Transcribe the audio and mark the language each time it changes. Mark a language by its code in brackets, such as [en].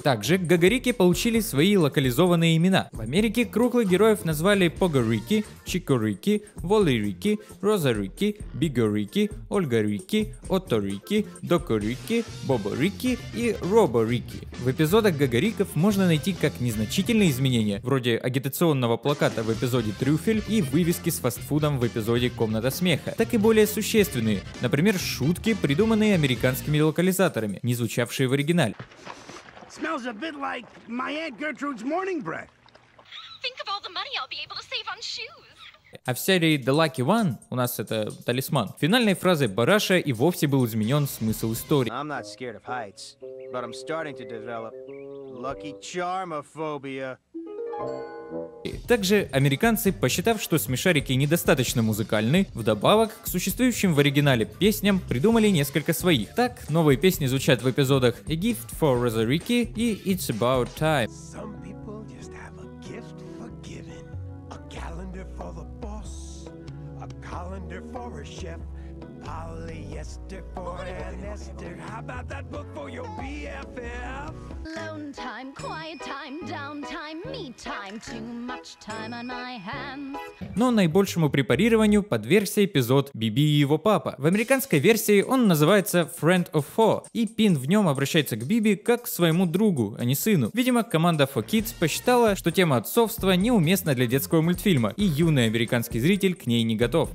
[ru] Также гагарики получили свои локализованные имена. В Америке круглых героев назвали Погорики, Чикорики, Волерики, Розарики, Бигорики, Ольгарики, Оторики, Докорики, Боборики и Роборики. В эпизодах гагариков можно найти как незначительные изменения, вроде агитационного плаката в эпизоде «Трюфель» и вывески с фастфудом в эпизоде «Комната смеха», так и более существенные, например, шутки, придуманные американскими локализаторами, не звучавшие в оригинале. [en] Smells a bit like my Aunt Gertrude's morning bread. Think of all the money I'll be able to save on shoes. [ru] А в серии The Lucky One, у нас это талисман, финальной фразой Бараша и вовсе был изменен смысл истории. [en] I'm not scared of heights, but I'm starting to develop lucky charmophobia. [ru] Также американцы, посчитав, что смешарики недостаточно музыкальны, вдобавок к существующим в оригинале песням придумали несколько своих. Так, новые песни звучат в эпизодах A Gift for Rosariki и It's About Time. [en] Some people just have a gift for giving. A calendar for the boss. A calendar for a chef. Polyester for an ester. How about that book for your BFF? Lone time, quiet time, downtime, me time, too much time on my hands. [ru] Но наибольшему препарированию подвергся эпизод «Биби и его папа». В американской версии он называется «Friend of Four», и Пин в нем обращается к Биби как к своему другу, а не сыну. Видимо, команда For Kids посчитала, что тема отцовства неуместна для детского мультфильма, и юный американский зритель к ней не готов.